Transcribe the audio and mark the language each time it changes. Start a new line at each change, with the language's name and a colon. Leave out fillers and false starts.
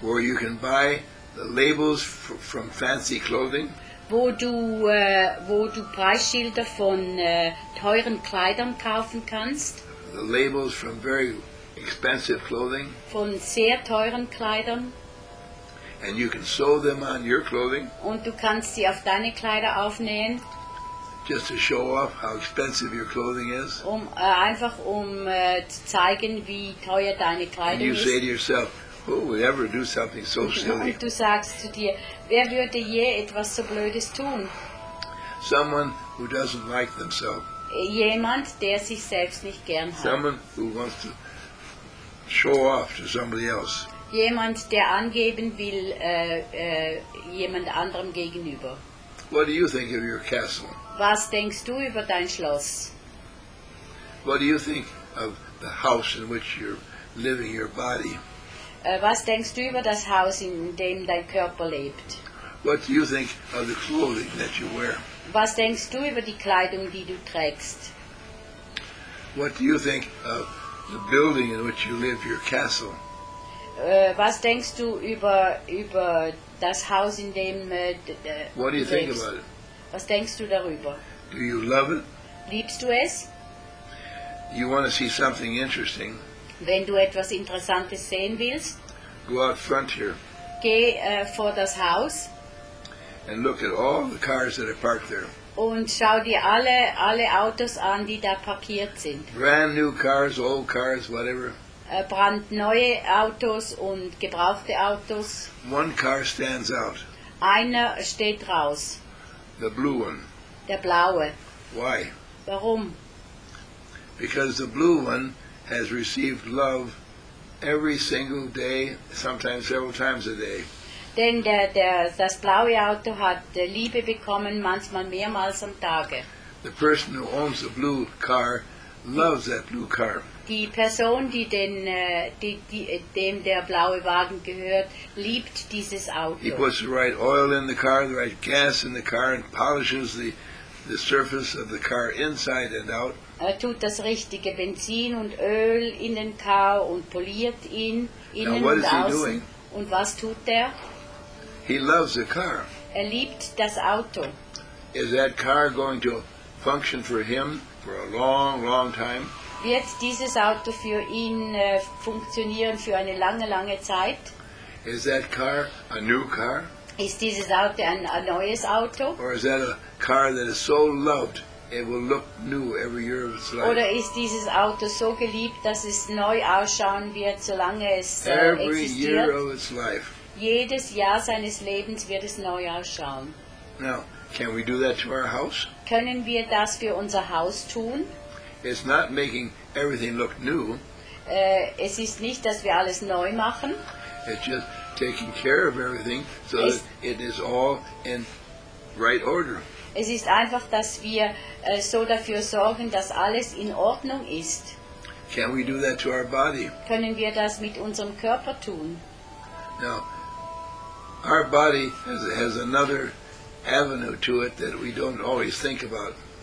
English: where you can buy the labels from fancy clothing,
German: wo du Preisschilder von teuren Kleidern kaufen kannst,
English: the labels from very expensive clothing,
German: von sehr teuren Kleidern,
English: and you can sew them on your clothing,
German: und du kannst sie auf deine Kleider aufnähen.
English: Just to show off how expensive your clothing is.
German: Zu zeigen, wie teuer deine Kleidung ist.
English: And you say to yourself, who would ever do something so silly?
German: Du sagst zu dir, wer würde je etwas so Blödes tun?
English: Someone who doesn't like themselves.
German: Jemand, der sich selbst nicht gern hat.
English: Someone who wants to show off to somebody else.
German: Jemand, der angeben will jemand anderem gegenüber.
English: What do you think of your castle?
German: Was denkst du über dein Schloss?
English: What do you think of the house in which you're living, your body?
German: Was denkst du über das Haus, in dem dein Körper lebt?
English: What do you think of the clothing that you wear?
German: Was denkst du über die Kleidung, die du trägst?
English: What do you think of the building in which you live, your castle?
German: Was denkst du über das Haus, in dem
English: What do you think about it?
German: Was denkst du darüber?
English: Do you love it?
German: Liebst du es?
English: You want to see something interesting?
German: Wenn du etwas Interessantes sehen willst?
English: Go out front here.
German: Geh vor das Haus.
English: And look at all the cars that are parked there.
German: und schau dir alle Autos an, die da parkiert sind.
English: Brand new cars, old cars, whatever.
German: Brandneue Autos und gebrauchte Autos.
English: One car stands out.
German: Einer steht raus.
English: The blue one.
German: Der blaue.
English: Why?
German: Warum?
English: Because the blue one has received love every single day, sometimes several times a day.
German: Denn das blaue Auto hat Liebe bekommen, manchmal mehrmals am Tage.
English: The person who owns the blue car loves that blue car.
German: Die Person, dem der blaue Wagen gehört, liebt dieses Auto.
English: He puts the right oil in the car, the right gas in the car, and polishes the surface of the car inside and out.
German: Er tut das richtige Benzin und Öl in den Car und poliert ihn innen und außen.
English: Doing?
German: Und was tut er?
English: He loves the car.
German: Er liebt das Auto.
English: Is that car going to function for him for a long, long time?
German: Wird dieses Auto für ihn funktionieren für eine lange, lange Zeit?
English: Is that car a new car?
German: Ist dieses Auto ein neues Auto?
English: Or is that a car that is so loved it will look new every year of its life?
German: Oder ist dieses Auto so geliebt, dass es neu ausschauen wird, solange es
English: every
German: existiert?
English: Year of its life.
German: Jedes Jahr seines Lebens wird es neu ausschauen.
English: Now, can we do that to our house?
German: Können wir das für unser Haus tun?
English: It's not making everything look new.
German: Es ist nicht, dass wir alles neu machen.
English: It's just taking care of everything so that it is all in right order.
German: Es ist einfach, dass wir so dafür sorgen, dass alles in Ordnung ist.
English: Can we do that to our body?
German: Können wir das mit unserem Körper tun?
English: Now, our body has another avenue to it that we don't always think about.